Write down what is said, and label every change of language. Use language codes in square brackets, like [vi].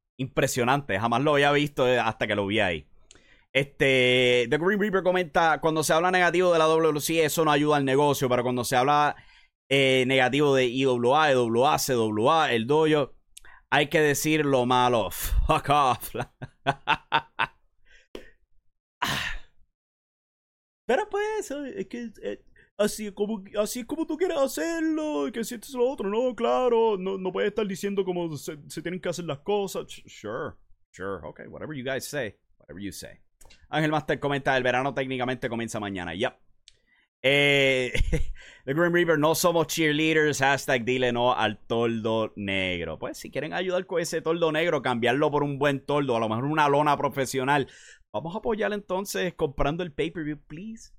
[es] Impresionante, jamás lo había visto hasta que lo vi ahí. The Green Reaper comenta, cuando se habla negativo de la WLC, eso no ayuda al negocio, pero cuando se habla negativo de IWA, EWA, CWA, el dojo, hay que decir lo malo. [en] Fuck off. [es] Pero pues, es que así como tú quieres hacerlo, que sientes lo otro. No, claro, no puedes estar diciendo cómo se tienen que hacer las cosas. [en] Sure, okay, whatever you guys say, whatever you say. [es] Ángel Master comenta, el verano técnicamente comienza mañana. Yep. The Grim Reaper, no somos cheerleaders. Hashtag dile no al toldo negro. Pues si quieren ayudar con ese toldo negro, cambiarlo por un buen toldo, a lo mejor una lona profesional, vamos a apoyar entonces comprando el pay-per-view, please.